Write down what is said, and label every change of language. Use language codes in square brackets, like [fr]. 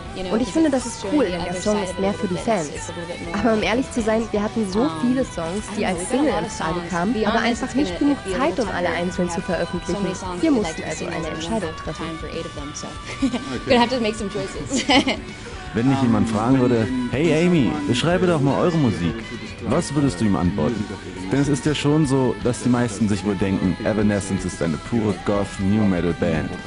[de] Und ich finde, das ist cool, denn der Song ist mehr für die Fans. Aber um ehrlich zu sein, wir hatten so viele Songs, die als Single in Frage kamen, aber einfach nicht genug Zeit, um alle einzeln zu veröffentlichen. Wir mussten also eine Entscheidung treffen. [en] We're gonna have to make some choices. [de] Wenn mich jemand fragen würde, hey Amy, beschreibe doch mal eure Musik, was würdest du ihm antworten? Denn es ist ja schon so, dass die meisten sich wohl denken, Evanescence ist eine pure Goth-New-Metal-Band.